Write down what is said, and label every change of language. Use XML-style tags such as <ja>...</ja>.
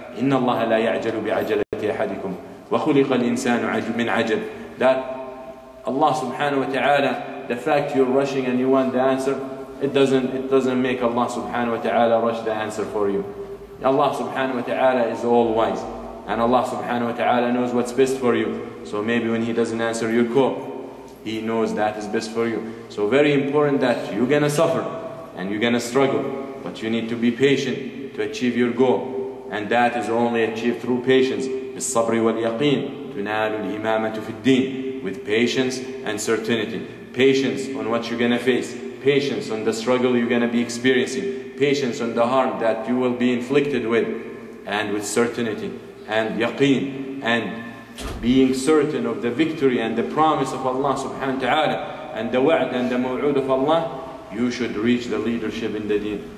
<ar>إن الله لا يعجل بعجلة أحدكم وخلق الإنسان من عجل.</ar> <en>That Allah subhanahu wa ta'ala, the fact you're rushing and you want the answer, it doesn't make Allah subhanahu wa ta'ala rush the answer for you. Allah subhanahu wa ta'ala is all wise, and Allah subhanahu wa ta'ala knows what's best for you. So maybe when He doesn't answer your call, He knows that is best for you. So very important that you're gonna suffer and you're gonna struggle, but you need to be patient to achieve your goal. And that is only achieved through patience.</en> <ar>بالصبر واليقين تنال الإمامة في الدين.</ar> <en>With patience and certainty. Patience on what you're gonna face. Patience on the struggle you're gonna be experiencing. Patience on the harm that you will be inflicted with. And with certainty and yaqeen, and being certain of the victory and the promise of Allah subhanahu wa ta'ala, and the wa'd and the maw'ud of Allah, you should reach the leadership in the deen.</en>